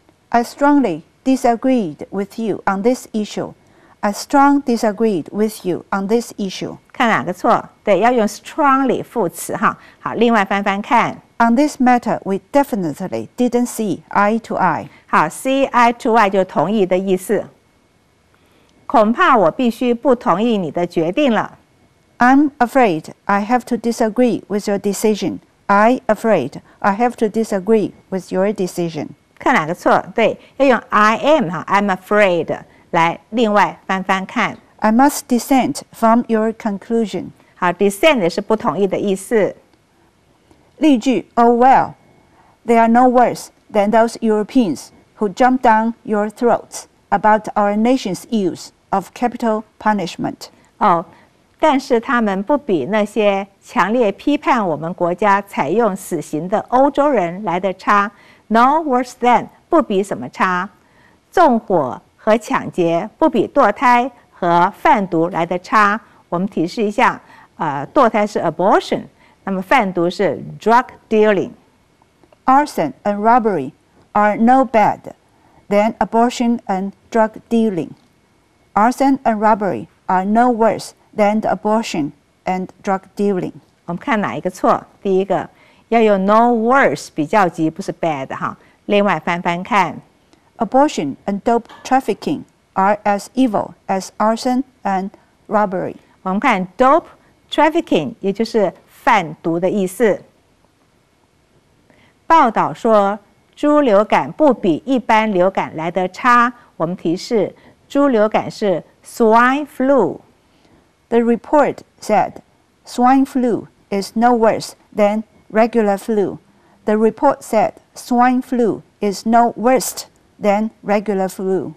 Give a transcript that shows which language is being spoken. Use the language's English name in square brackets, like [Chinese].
[English] I strongly disagreed with you on this issue. I strongly disagreed with you on this issue. [Chinese] 看哪个错？对，要用 strongly 副词哈。好，另外翻翻看。 [English] On this matter, we definitely didn't see eye to eye. [Chinese] 好 ， [English] see eye to eye [Chinese] 就同意的意思。恐怕我必须不同意你的决定了。 [English] I'm afraid I have to disagree with your decision. [Chinese] 看哪个错？对，要用 I am 哈 ， [English] I'm afraid [Chinese] 来另外翻翻看。 [English] I must dissent from your conclusion. [Chinese] 好 ，dissent 是不同意的意思。例句 [English] ：Oh well, they are no worse than those Europeans who jumped down your throats about our nation's use of capital punishment. [Chinese] 哦，但是他们不比那些强烈批判我们国家采用死刑的欧洲人来得差。 [English] No worse than [Chinese] 不比什么差，纵火和抢劫不比堕胎和贩毒来得差。我们提示一下，堕胎是 abortion， 那么贩毒是 [English] drug dealing。 Arson and robbery are no bad than abortion and drug dealing. Arson and robbery are no worse than abortion and drug dealing. [Chinese] 我们看哪一个错？第一个。要用 [English] no worse [Chinese] 比较级，不是 bad 哈。另外翻翻看 [English] ，abortion and dope trafficking are as evil as arson and robbery。 [Chinese] 我们看 [English] dope trafficking， [Chinese] 也就是贩毒的意思。报道说，猪流感不比一般流感来得差。我们提示，猪流感是 [English] swine flu。 The report said swine flu is no worse than regular flu. The report said swine flu is no worse than regular flu.